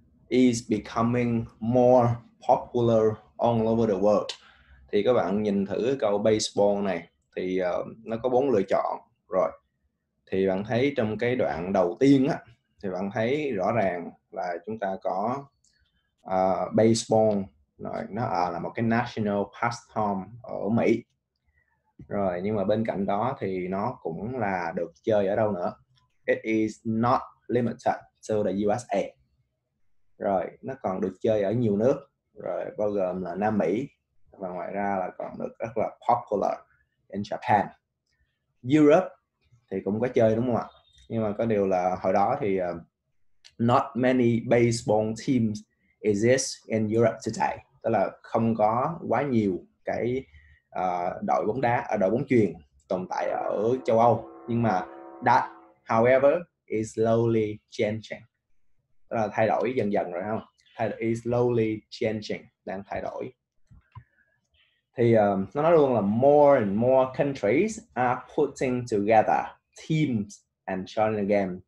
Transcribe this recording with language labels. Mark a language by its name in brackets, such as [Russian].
[English] Is becoming more popular all over the world. [Vietnamese] Thì các bạn nhìn thử câu baseball này thì nó có bốn lựa chọn. Rồi. Thì bạn thấy trong cái đoạn đầu tiên á thì bạn thấy rõ ràng là chúng ta có baseball rồi nó là một cái national pastime ở Mỹ. Rồi, nhưng mà bên cạnh đó thì nó cũng là được chơi ở đâu nữa. [English] It is not limited to the USA. [Vietnamese] Rồi, nó còn được chơi ở nhiều nước, rồi bao gồm là Nam Mỹ, và ngoài ra là còn được rất là [English] popular in Japan. [Vietnamese] Europe thì cũng có chơi đúng không ạ? Nhưng mà có điều là hồi đó thì [English] not many baseball teams exist in Europe today. [Vietnamese] Tức là không có quá nhiều cái đội bóng đá, đội bóng chuyền tồn tại ở châu Âu. Nhưng mà [English] that, however, is slowly changing. [Vietnamese] Là thay đổi dần dần rồi không? Thay đổi, [English] is slowly changing, [Vietnamese] đang thay đổi. Thì nó nói luôn là [English] more and more countries are putting together teams and joining the game.